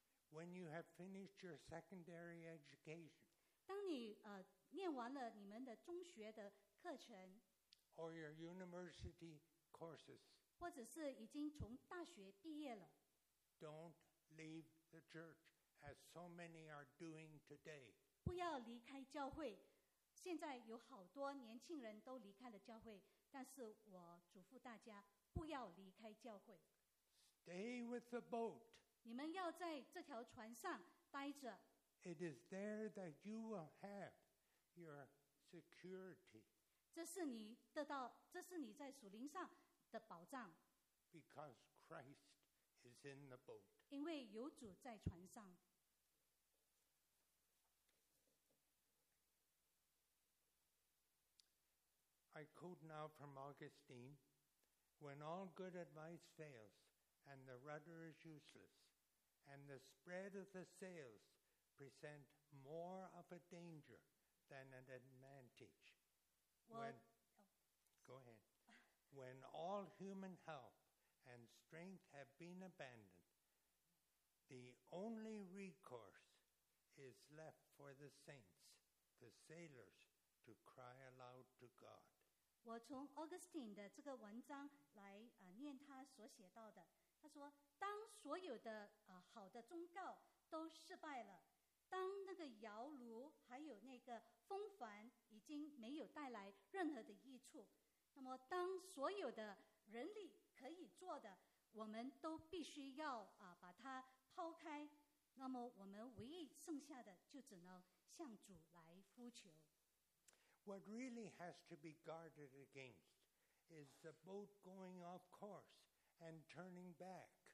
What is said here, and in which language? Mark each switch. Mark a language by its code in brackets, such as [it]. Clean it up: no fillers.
[en] When you have finished your secondary education, [zh] 当你念完了你们的中学的课程 [en] ，or your university courses, [zh] 或者是已经从大学毕业了 [en] ，don't leave the church as so many are doing today. [zh] 不要离开教会。现在有好多年轻人都离开了教会，但是我嘱咐大家不要离开教会。 [en] Stay with the boat. [zh] 你们要在这条船上待着。 [en] It is there that you will have your security. [zh] 这是你在属灵上的保障。 [en] Because Christ is in the boat. [zh] 因为有主在船上。 [en] I quote now from Augustine, when all good advice fails, and the rudder is useless, and the spread of the sails present more of a danger than an advantage. When all human help and strength have been abandoned, the only recourse is left for the saints, the sailors, to cry aloud to God. [zh] 我从 Augustine 的这个文章来念他所写到的，他说当所有的好的忠告都失败了，当那个摇橹还有那个风帆已经没有带来任何的益处，那么当所有的人力可以做的我们都必须要把它抛开，那么我们唯一剩下的就只能向主来呼求。 [en] What really has to be guarded against is the boat going off course and turning back.